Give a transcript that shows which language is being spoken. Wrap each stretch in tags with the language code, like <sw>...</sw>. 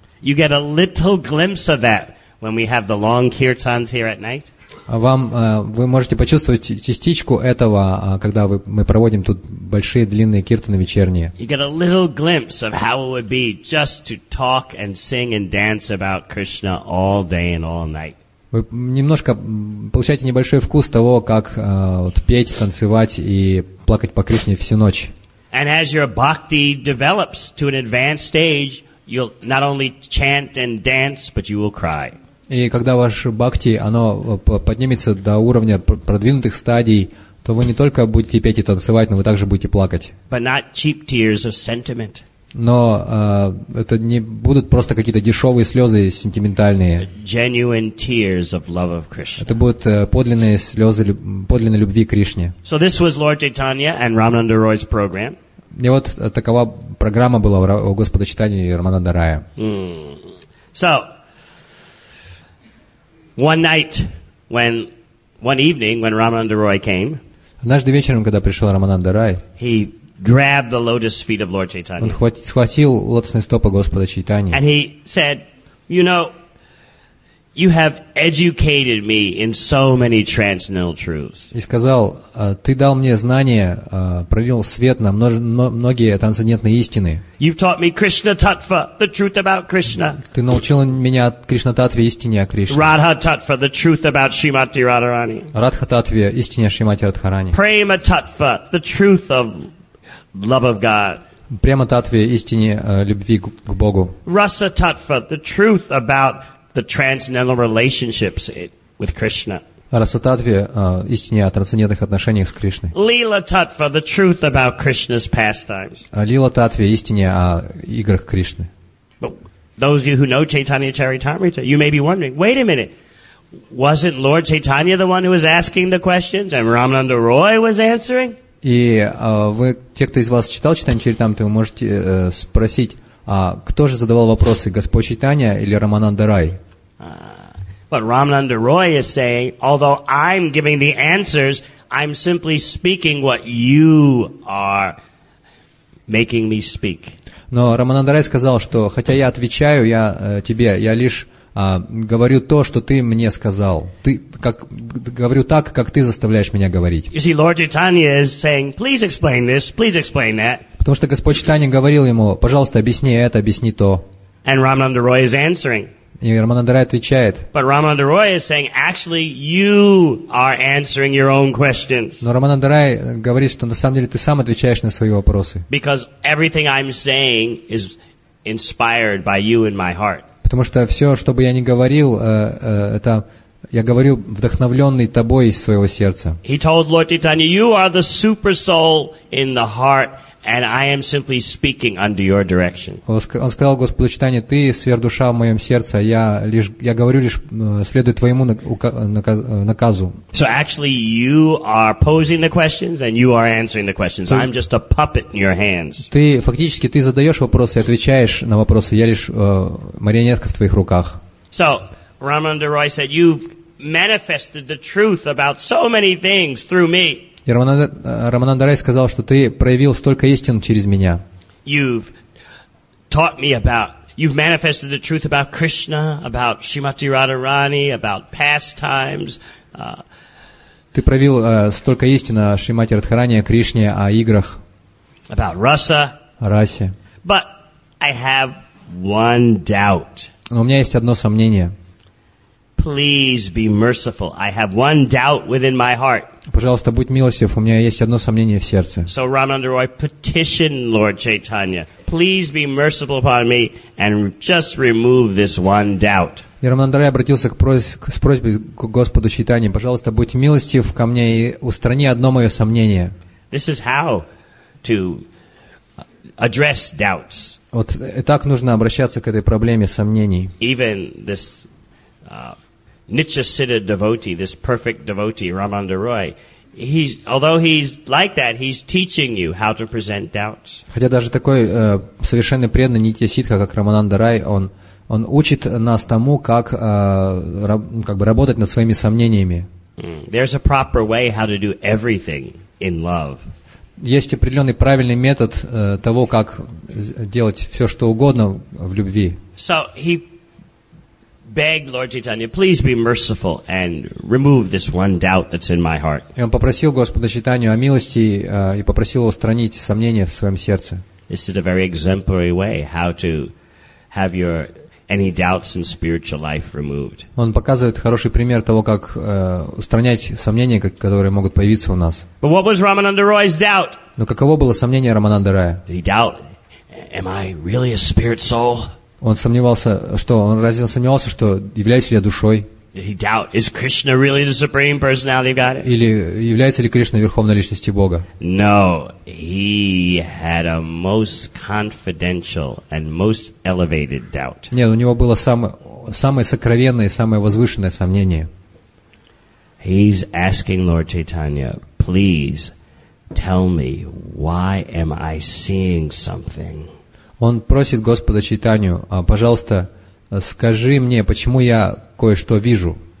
<en>You get a little glimpse of that when we have the long kirtans here at night.</en> <ru>Вы можете почувствовать частичку этого, когда мы проводим тут большие длинные киртаны вечерние.</ru> <en>You get a little glimpse of how it would be just to talk and sing and dance about Krishna all day and all night.</en> <ru>Вы немножко получаете небольшой вкус того, как петь, танцевать и плакать по Кришне всю ночь.</ru> <en>And as your bhakti develops to an advanced stage, you'll not only chant and dance, but you will cry.</en> <ru>И когда ваш бхакти, оно поднимется до уровня продвинутых стадий, то вы не только будете петь и танцевать, но вы также будете плакать.</ru> <en>But not cheap tears of sentiment.</en> <ru>Но это не будут просто какие-то дешевые слезы сентиментальные.</ru> <en>Genuine tears of love of Krishna.</en> <ru>Это будут подлинные слезы подлинной любви к Кришне.</ru> <en>So this was Lord Chaitanya and Ramananda Roy's program.</en> <ru>И вот такова программа была у Господа Чайтаньи и Рамананда Рая.</ru> <en>So, one night, one evening, when Ramananda Roy came,</en> <ru>однажды вечером, когда пришел Рамананда Рай,</ru> <en>he grabbed the lotus feet of Lord Chaitanya.</en> <ru>Он схватил лотосные стопы Господа Чайтаньи.</ru> <en>And he said, "You know, you have educated me in so many transcendental truths."</en> <ru>И сказал, ты дал мне знания, пролил свет на многие трансцендентные истины.</ru> <en>You've taught me Krishna Tattva, the truth about Krishna.</en> <ru>Ты научил меня Кришна Таттве, истине о Кришне.</ru> <en>Radha Tattva, the truth about Shrimati Radharani.</en> <ru>Радха Таттве, истине о Шримати Радхарани.</ru> <en>Prema Tattva, the truth of love of God.</en> <ru>Prema Tattva, истине любви к Богу.</ru> <en>Rasa Tattva, the truth about the transcendental relationships with Krishna.</en> <ru>Раса Таттва, истине о трансцендентных отношениях с Кришной.</ru> <en>Лила Таттва, the truth about Krishna's pastimes.</en> <ru>Лила Таттва, истине о играх Кришны.</ru> <en>But those of you who know Chaitanya Charitamrita, you may be wondering, wait a minute, wasn't Lord Chaitanya the one who was asking the questions and Ramananda Roy was answering?</en> <ru>И вы, те, кто из вас читал Чайтанья Чаритамриту, вы можете спросить, а кто же задавал вопросы, Господь Чайтанья или Рамананда Рай?</ru> <en>But Ramananda Roy is saying, although I'm giving the answers, I'm simply speaking what you are making me speak.</en> <ru>Но Рамананда Рай сказал, что хотя я отвечаю тебе, я лишь говорю то, что ты мне сказал. Говорю так, как ты заставляешь меня говорить.</ru> <en>You see, Lord Chaitanya is saying, please explain this, please explain that.</en> <ru>Потому что Господь Чайтанья говорил ему, пожалуйста, объясни это, объясни то.</ru> <en>And Ramananda Roy is answering.</en> <ru>И Рамананда Рай отвечает.</ru> <en>But Ramananda Roy is saying, actually, you are answering your own questions.</en> <ru>Но Рамананда Рай говорит, что на самом деле ты сам отвечаешь на свои вопросы.</ru> <en>Because everything I'm saying is inspired by you in my heart.</en> <ru>Потому что все, что бы я ни говорил, это я говорю вдохновленный тобой из своего сердца.</ru> <en>He told Lord Chaitanya, you are the super soul in the heart. And I am simply speaking under your direction.</en> <ru>Он сказал, Господу Читание, ты сверхдуша в моем сердце, я говорю лишь, следуй твоему наказу.</ru> <en>So actually you are posing the questions and you are answering the questions. I'm just a puppet in your hands.</en> <ru>Ты фактически, ты задаешь вопросы и отвечаешь на вопросы, я лишь марионетка в твоих руках.</ru> <en>So, Ramananda Roy said, you've manifested the truth about so many things through me.</en> <ru>И Рамананда Рай сказал, что ты проявил столько истин через меня.</ru> <en>You've taught me about, you've manifested the truth about Krishna, about Shrimati Radharani, about pastimes.</en> <ru>Ты проявил столько истин о Шримати Радхарани, о Кришне, о играх.</ru> <en>About rasa.</en> <ru>О расе.</ru> <en>But I have one doubt.</en> <ru>Но у меня есть одно сомнение.</ru> <en>Please be merciful. I have one doubt within my heart.</en> <ru>Пожалуйста, будь милостив, у меня есть одно сомнение в сердце.</ru> <en>So Ramananda Roy petitioned Lord Chaitanya, please be merciful upon me and just remove this one doubt.</en> <ru>И Рамананда Рай обратился с просьбой к Господу Чайтанье, пожалуйста, будь милостив ко мне и устрани одно мое сомнение.</ru> <en>This is how to address doubts.</en> <ru>Вот и так нужно обращаться к этой проблеме сомнений.</ru> <en>Even this Nichasiddha devotee, this perfect devotee, Ramananda Roy, he's, although he's like that, he's teaching you how to present doubts.</en> <ru>Хотя даже такой совершенно преданный нитья-ситха, как Рамананда Рай, он учит нас тому, как бы работать над своими сомнениями.</ru> <en>There's a proper way how to do everything in love.</en> <ru>Есть определенный правильный метод того, как делать все, что угодно в любви.</ru> <en>So he begged Lord Chaitanya, please be merciful and remove this one doubt that's in my heart.</en> <ru>И он попросил Господа Читанию о милости и попросил устранить сомнения в своем сердце.</ru> <en>This is a very exemplary way how to have your any doubts in spiritual life removed.</en> <ru>Он показывает хороший пример того, как устранять сомнения, которые могут появиться у нас.</ru> <en>But what was Ramananda Roy's doubt?</en> <ru>Но каково было сомнение Рамананда Рая?</ru> <en>He doubted, am I really a spirit soul?</en> <ru>Он сомневался, что он разве сомневался, что являюсь ли я душой?</ru> <en>He doubt, is Krishna really the supreme personality of God?</en> <ru>Или является ли Кришна верховной личностью Бога?</ru> <en>No, he had a most confidential and most elevated doubt.</en> <ru>Нет, у него было самое сокровенное и самое возвышенное сомнение.</ru> <en>He's asking Lord Chaitanya, please tell me, why am I seeing something?</en> <ru>Он просит Господа Чайтанью, пожалуйста, скажи мне, почему я кое-что вижу.</ru>